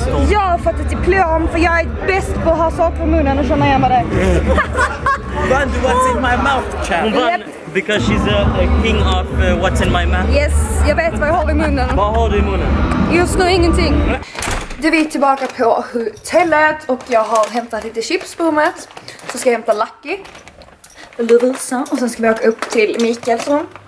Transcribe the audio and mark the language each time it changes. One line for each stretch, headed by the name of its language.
Swedish: Jag har fått ett diplom för jag är bäst på att ha saker på munnen och känna igen vad det.
English: What's in my mouth, chat? Yep. Because she's a king of what's in my mouth.
Swedish: Yes, jag vet vad jag har i munnen. Vad har du i munnen? Just nu ingenting. Du, vi är tillbaka på hotellet och jag har hämtat lite chips på rummet. Så ska jag hämta Lucky. Lurisa, och sen ska vi åka upp till Mikaels rum.